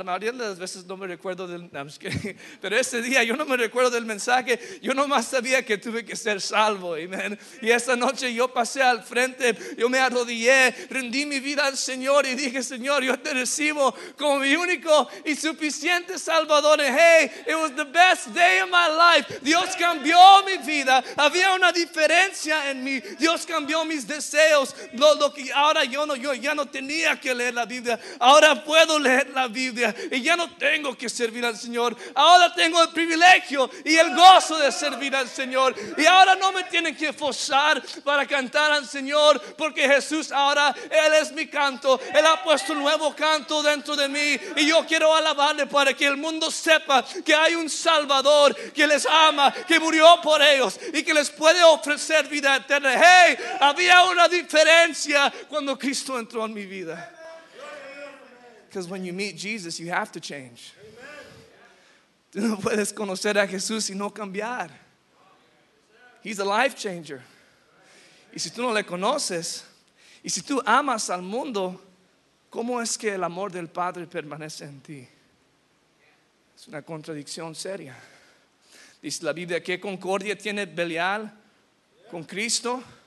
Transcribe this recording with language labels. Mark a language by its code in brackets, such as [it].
[es] La mayoría de las veces no me recuerdo del, [en] I'm just kidding. [es] Pero ese día yo no me recuerdo del mensaje. Yo nomás sabía que tuve que ser salvo. Amen. Y esa noche yo pasé al frente, yo me arrodillé, rendí mi vida al Señor y dije, Señor, yo te recibo como mi único y suficiente Salvador. [en] And hey, it was the best day of my life. [es] Dios cambió mi vida. Había una diferencia en mí. Dios cambió mis deseos. Lo que ahora yo ya no tenía que leer la Biblia. Ahora puedo leer la Biblia y ya no tengo que servir al Señor. Ahora tengo el privilegio y el gozo de servir al Señor. Y ahora no me tienen que forzar para cantar al Señor, porque Jesús ahora, Él es mi canto. Él ha puesto un nuevo canto dentro de mí y yo quiero alabarle para que el mundo sepa que hay un Salvador que les ama, que murió por ellos y que les puede ofrecer vida eterna. Hey, había una diferencia cuando Cristo entró en mi vida. [en] Because when you meet Jesus, you have to change. [es] Tú no puedes conocer a Jesús y no cambiar. [en] He's a life changer. [es] Y si tú no le conoces, y si tú amas al mundo, ¿cómo es que el amor del Padre permanece en ti? Es una contradicción seria. Dice la Biblia, ¿qué concordia tiene Belial con Cristo?